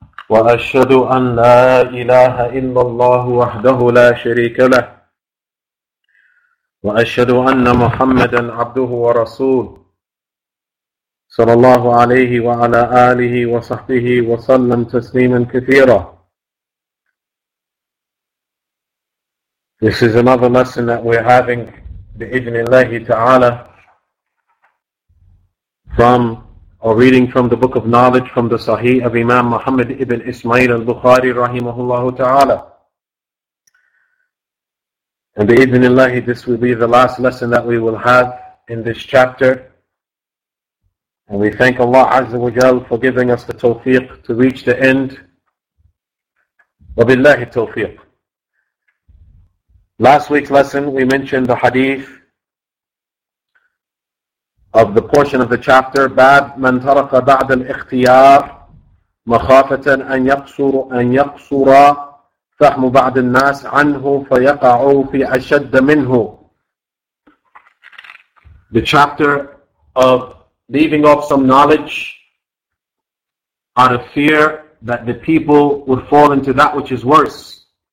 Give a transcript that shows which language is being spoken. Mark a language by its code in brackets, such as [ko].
[ar] وأشهد أن لا إله إلا الله وحده لا شريك له، وأشهد أن محمدا عبده ورسوله صلى الله عليه وعلى آله وصحبه وسلم تسليما كثيرا. [en] This is another lesson that we're having [ar] بإذن الله تعالى [en] from or reading from the Book of Knowledge from the Sahih of Imam Muhammad ibn Ismail al-Bukhari rahimahullahu ta'ala. And bi-idhnillah, this will be the last lesson that we will have in this chapter. And we thank Allah Azza wa Jal for giving us the tawfiq to reach the end. Wa billahi tawfiq. Last week's lesson, we mentioned the hadith of the portion of the chapter, [ar] باب من ترك بعد الاختيار مخافة أن يقصر فهم بعض الناس عنه فيقعوا في أشد منه. [en] The chapter of leaving off some knowledge out of fear that the people would fall into that which is worse.